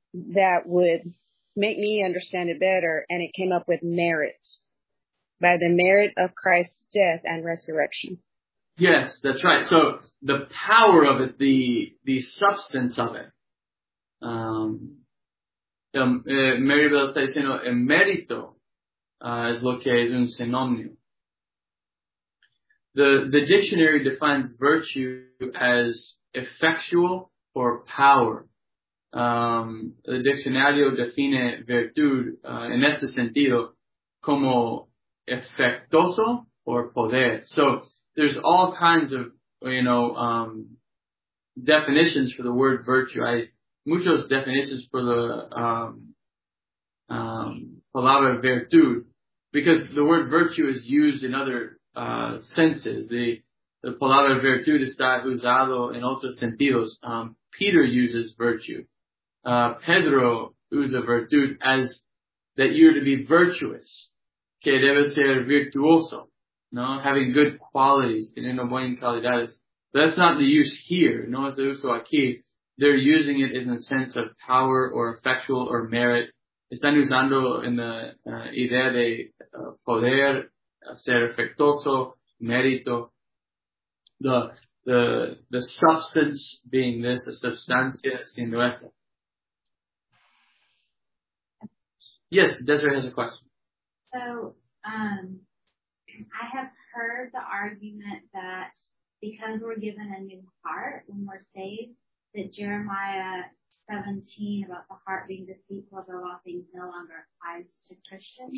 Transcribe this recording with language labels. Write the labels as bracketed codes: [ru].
[en] That would make me understand it better, and it came up with merit. By the merit of Christ's death and resurrection. Yes, that's right. So the power of it, the substance of it. [es] Mary Bell está diciendo, el mérito es lo que es un sinónimo. [en] The dictionary defines virtue as effectual or power. [es] El diccionario define virtud en este sentido como efectuoso or poder. [en] So there's all kinds of, you know, definitions for the word virtue. [es] Hay muchos definiciones por la palabra virtud, [en] because the word virtue is used in other senses. [es] The palabra virtud está usado en otros sentidos. [en] Peter uses virtue. [es] Pedro usa virtud [en] as that you're to be virtuous. [es] Que debe ser virtuoso. No, [en] having good qualities, [es] teniendo buenas cualidades. [en] That's not the use here. [es] No es el uso aquí. [en] They're using it in the sense of power or effectual or merit. [es] Están usando en la idea de poder, ser efectuoso, mérito. [en] The substance being this, [es] a substancia siendo esa. [en] Yes, Desiree has a question. So, I have heard the argument that because we're given a new heart when we're saved, that Jeremiah 17 about the heart being deceitful above all things no longer applies to Christians.